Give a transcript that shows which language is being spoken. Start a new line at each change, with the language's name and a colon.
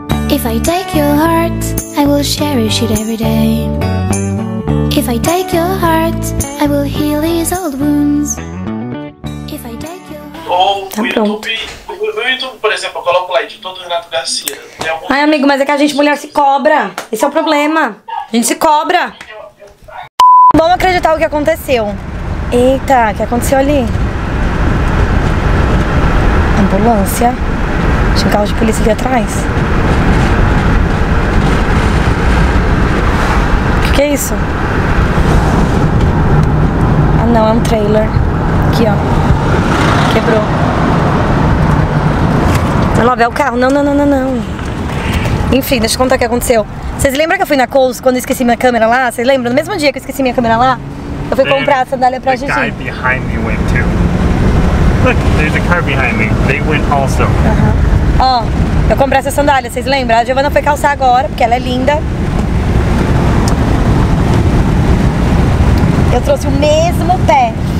English: If I take your heart, I will cherish it every day. If I take your heart, I will heal his old wounds. If I take your heart.
Portuguese: Tá pronto. O YouTube, por exemplo, eu coloco lá editor do Renato Garcia. Ai, amigo, mas é que a gente mulher se cobra. Esse é o problema. A gente se cobra. Vamos acreditar o que aconteceu. Eita, o que aconteceu ali? Ambulância. Tinha um carro de polícia ali atrás. Que é isso? Ah não, é um trailer. Aqui ó, quebrou. Vai lá ver o carro. Não. Enfim, deixa eu contar o que aconteceu. Vocês lembram que eu fui na Kohl's quando eu esqueci minha câmera lá? Vocês lembram? No mesmo dia que eu esqueci minha câmera lá, eu fui comprar a sandália pra Gigi.
English: The guy behind me went too. Look, there's a car behind me. They went also. Uh-huh.
Portuguese: Eu comprei essa sandália, vocês lembram? A Giovana foi calçar agora, porque ela é linda. Eu trouxe o mesmo pé.